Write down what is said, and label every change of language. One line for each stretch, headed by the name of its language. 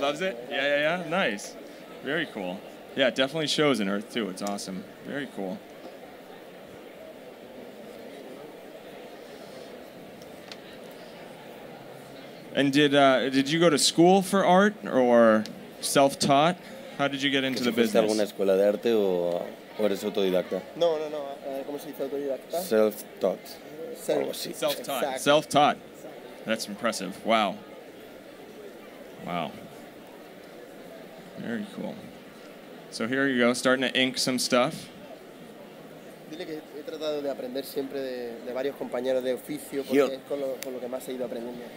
English: Loves it? Yeah. Nice. Very cool. Yeah, it definitely shows in Earth, too. It's awesome. Very cool. And did you go to school for art or self-taught? How did you get into the business?
Spanish: ¿Fuiste a alguna escuela de arte o eres autodidacta? No. ¿Cómo se dice autodidacta?
English: Self-taught. Self-taught. Exactly. Self-taught. That's impressive. Wow. Very cool. So here you go, starting to ink some stuff.
Spanish: Dile que he tratado de aprender siempre de varios compañeros de oficio porque es con lo que más he ido aprendiendo.